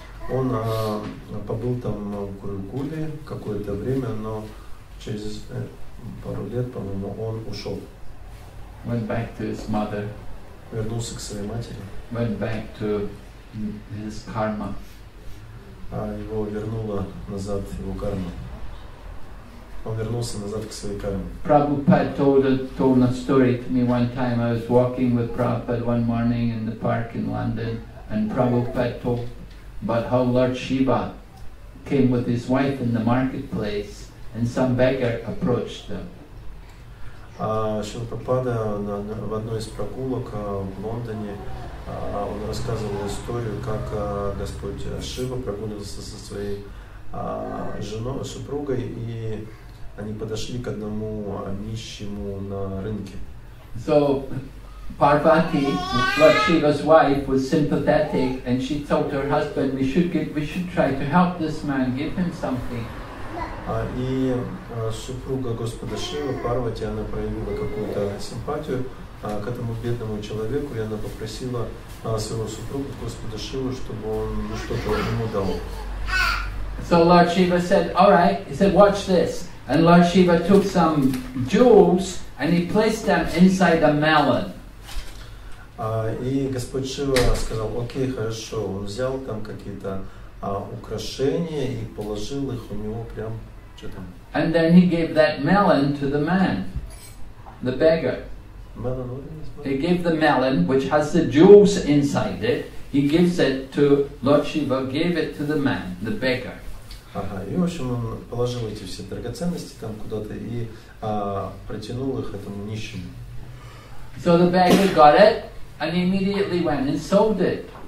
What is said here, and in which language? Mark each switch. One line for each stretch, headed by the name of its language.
Russian: Он побыл там в Гурукуле какое-то время, но через пару лет, по-моему, он ушел.
English: Went back to his mother.
Russian: Вернулся к своей матери.
English: Went back to his karma.
Russian: Его вернула назад его карма. Он вернулся назад к своей карме.
English: Prabhupada told a story to me one time. I was walking with Prabhupada one morning in the park in London, and Prabhupada told about how Lord Shiva came with his wife in the marketplace, and some beggar approached them.
Russian: Шрила Прабхупада в одной из прогулок в Лондоне он рассказывал историю, как Господь Шива прогуливался со своей женой, супругой, и они подошли к одному нищему на рынке.
English: So Parvati, Lord Shiva's wife, was sympathetic, and she told her husband, we should try to help this man, give him something.
Russian: И супруга Господа Шивы, Парвати, она проявила какую-то симпатию к этому бедному человеку, и она попросила своего супруга Господа Шивы, чтобы он что-то ему дал.
English: So Lord Shiva said, all right, he said, watch this. And Lord Shiva took some jewels and he placed them inside a melon.
Russian: И Господь Шива сказал, окей, хорошо, он взял там какие-то украшения и положил их у него прям.
English: And then he gave that melon to the man, the beggar. He gave the melon, which has the jewels inside it, he gives it to Lord Shiva, gave it to the man, the beggar.
Russian: И в общем он положил эти все драгоценности там куда-то и протянул их этому нищему.
English: So the beggar got it and immediately went and sold it.